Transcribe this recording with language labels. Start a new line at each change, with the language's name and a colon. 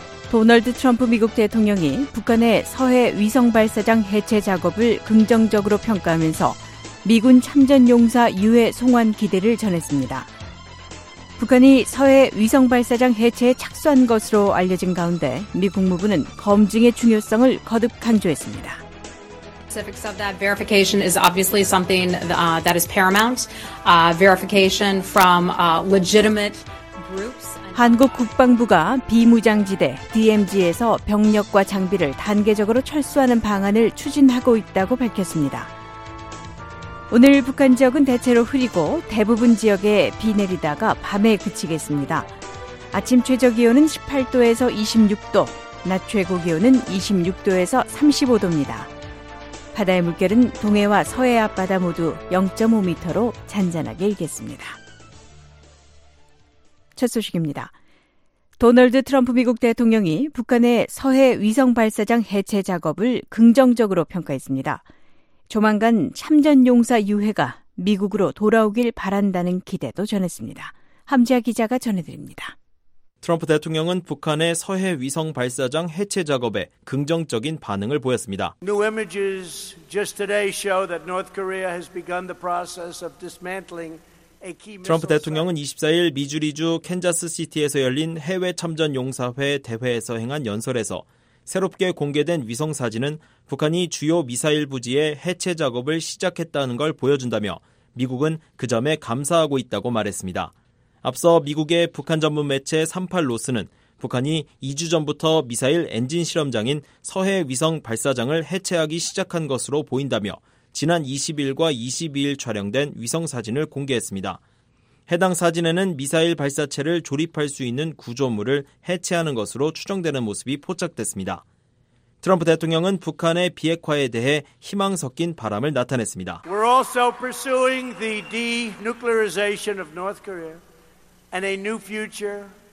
Korean: 도널드 트럼프 미국 대통령이 북한의 서해 위성발사장 해체 작업을 긍정적으로 평가하면서 미군 참전용사 유해 송환 기대를 전했습니다. 북한이 서해 위성발사장 해체에 착수한 것으로 알려진 가운데 미 국무부는 검증의 중요성을 거듭 강조했습니다.
English: Specifics of that verification is obviously something that is paramount. Verification from legitimate groups.
Korean: 한국 국방부가 비무장지대 DMZ에서 병력과 장비를 단계적으로 철수하는 방안을 추진하고 있다고 밝혔습니다. 오늘 북한 지역은 대체로 흐리고 대부분 지역에 비 내리다가 밤에 그치겠습니다. 아침 최저 기온은 18도에서 26도, 낮 최고 기온은 26도에서 35도입니다. 바다의 물결은 동해와 서해 앞바다 모두 0.5m로 잔잔하게 일겠습니다. 첫 소식입니다. 도널드 트럼프 미국 대통령이 북한의 서해 위성 발사장 해체 작업을 긍정적으로 평가했습니다. 조만간 참전용사 유해가 미국으로 돌아오길 바란다는 기대도 전했습니다. 함지아 기자가 전해드립니다. 트럼프 대통령은 북한의 서해 위성 발사장 해체 작업에 긍정적인 반응을 보였습니다.
English: New images just today show that North Korea has begun the process of dismantling.
Korean: 트럼프 대통령은 24일 미주리주 캔자스 시티에서 열린 해외 참전 용사회 대회에서 행한 연설에서 새롭게 공개된 위성 사진은 북한이 주요 미사일 부지의 해체 작업을 시작했다는 걸 보여준다며 미국은 그 점에 감사하고 있다고 말했습니다. 앞서 미국의 북한 전문 매체 38로스는 북한이 2주 전부터 미사일 엔진 실험장인 서해 위성 발사장을 해체하기 시작한 것으로 보인다며 지난 20일과 22일 촬영된 위성 사진을 공개했습니다. 해당 사진에는 미사일 발사체를 조립할 수 있는 구조물을 해체하는 것으로 추정되는 모습이 포착됐습니다. 트럼프 대통령은 북한의 비핵화에 대해 희망 섞인 바람을 나타냈습니다.
English: We're also pursuing the denuclearization of North Korea and a new future.